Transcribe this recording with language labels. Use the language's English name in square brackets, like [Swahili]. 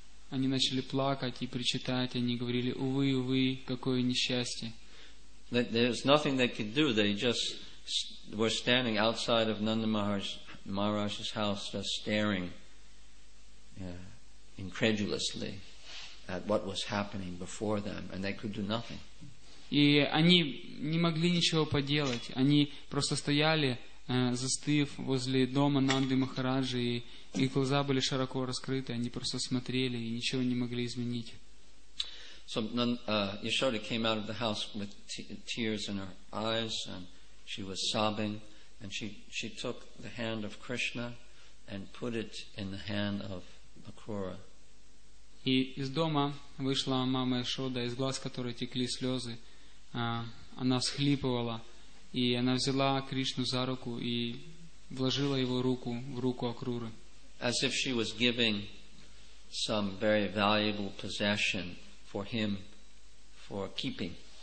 [Russian] Они начали плакать и причитать, они говорили, увы, увы, какое несчастье. [English] There's nothing they could do, they just were standing outside of Nanda Maharaj's house just staring incredulously at what was happening before them, and they could do nothing. [Russian] И они не могли ничего поделать. Они просто стояли, застыв возле дома Нанды Махараджи, и их глаза были широко раскрыты, они просто смотрели и ничего не могли изменить. [English] So Yashoda came out of the house with tears in her eyes and she was sobbing, and she took the hand of Krishna and put it in the hand of Akrura. [Russian] И из дома вышла мама Яшода, из глаз которой текли слезы. Она всхлипывала, и она взяла Кришну за руку и вложила его руку в руку Акруры. [English] As if she was giving some very valuable possession for him for keeping.